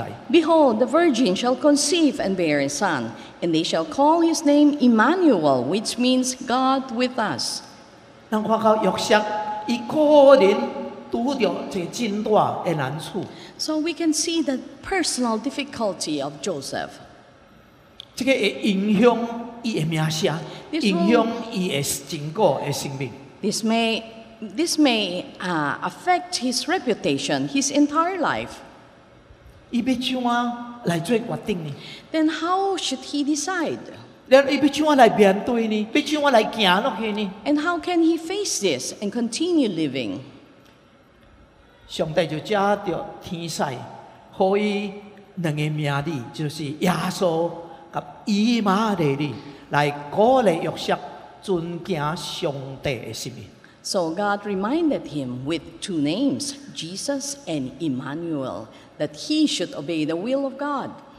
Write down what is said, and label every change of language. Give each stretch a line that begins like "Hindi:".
English: Behold, the virgin shall conceive and bear a son, and they shall call his name Emmanuel, which means God with us.
Min Nan Chinese: 咱看到约瑟，伊个人拄着一个真大的难处。
English: So we can see the personal difficulty of Joseph.
Min Nan Chinese: 这个会影响伊的名声，影响伊的整个的生命。
English: This may affect his reputation, his entire life.
Min Nan Chinese: 伊要怎啊来做决定呢
English: ？Then how should he decide？
Min Nan Chinese: 然后伊要怎啊来面对呢？要怎啊来行落去呢
English: ？And how can he face this and continue living？
Min Nan Chinese: 上帝就借着天使，予伊两个名字，就是耶稣甲以马内利，来鼓励约瑟遵行上帝的使命。
English: So God reminded him with two names, Jesus and Emmanuel, that he should obey the will of God.